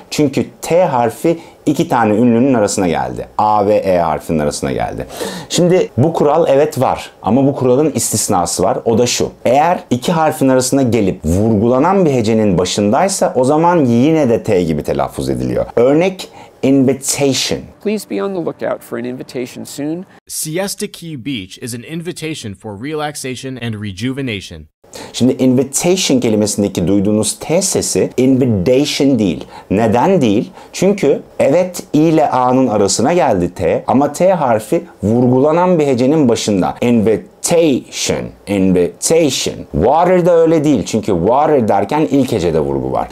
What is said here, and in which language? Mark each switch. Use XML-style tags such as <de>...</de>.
<tr>Çünkü T harfi iki tane ünlünün arasına geldi. A ve E harfinin arasına geldi. Şimdi bu kural evet var ama bu kuralın istisnası var. O da şu. Eğer iki harfin arasına gelip vurgulanan bir hecenin başındaysa o zaman yine de T gibi telaffuz ediliyor. Örnek invitation.</tr> <en>Please be on the lookout for an invitation soon. Siesta Key Beach is an invitation for relaxation and rejuvenation.</en> <tr>Şimdi invitation kelimesindeki duyduğunuz T sesi invitation değil. Neden değil? Çünkü evet I ile A'nın arasına geldi T ama T harfi vurgulanan bir hecenin başında. Invitation, invitation. Water da öyle değil çünkü water derken ilk hecede vurgu var.</tr>